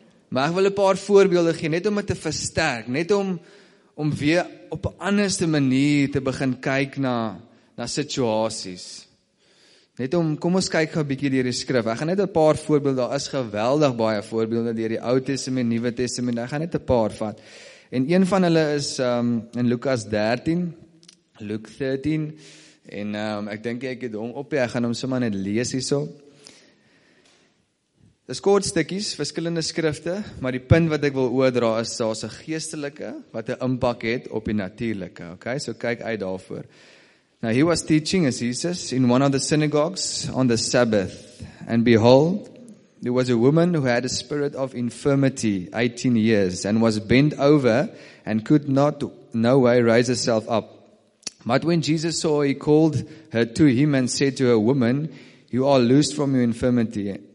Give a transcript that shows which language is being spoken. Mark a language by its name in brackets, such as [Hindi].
[Afrikaans] Maar ek wil 'n paar voorbeelde gee, net om het te versterk, net om weer op 'n anderste manier te begin kyk na situasies. Net om, kom ons kyk gou 'n bietjie deur die skrif. Ek gaan net 'n paar voorbeelde, daar is geweldig baie voorbeelde deur die Ou Testament, Nuwe Testament, ek gaan net 'n paar vat. En een van hulle is in Lukas 13, Luke 13, en ek dink ek het hom op, ek gaan hom sommer net lees hierso. Dis kort stukkies, verskillende skrifte, maar die punt wat ek wil oordra is daar's 'n geestelike wat 'n impak het op die natuurlike, okay? So kyk uit daarvoor. [English] Now he was teaching as Jesus in one of the synagogues on the Sabbath, and behold, there was a woman who had a spirit of infirmity 18 years and was bent over and could not no way raise herself up. But when Jesus saw her, he called her to him and said to her, "Woman, you are loosed from your infirmity."